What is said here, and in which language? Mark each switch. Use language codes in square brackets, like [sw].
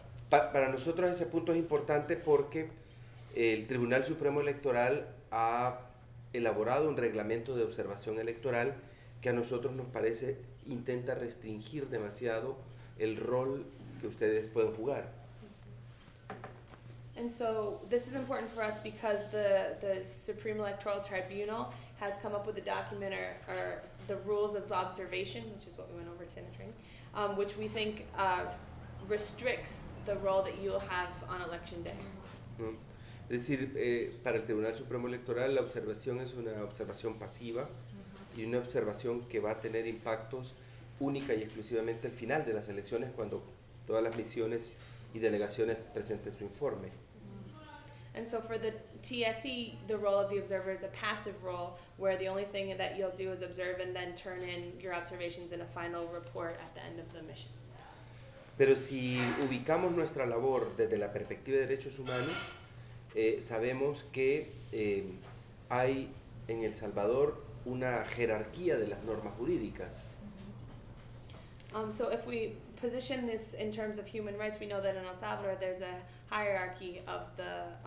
[es] Para nosotros ese punto es importante porque el Tribunal Supremo Electoral ha elaborado un reglamento de observación electoral que a nosotros nos parece intenta restringir demasiado el rol que ustedes pueden jugar. [en] And so this is important for us because the Supreme Electoral Tribunal has come up with a document or the rules of observation, which is what we went over to in the training, which we think restricts the role that you will have on election day. [es] Es decir, para el Tribunal Supremo Electoral la observación es una observación pasiva y una observación que va a tener impactos única y exclusivamente al final de las elecciones, cuando todas las misiones y delegaciones presenten su informe. [en] And so for the TSE, the role of the observer is a passive role, where the only thing that you'll do is observe and then turn in your observations in a final report at the end of the mission. [es] Pero si ubicamos nuestra labor desde la perspectiva de derechos humanos, sabemos que hay en El Salvador una jerarquía de las normas jurídicas. [en] So if we position this in terms of human rights, we know that in El Salvador there's a hierarchy of the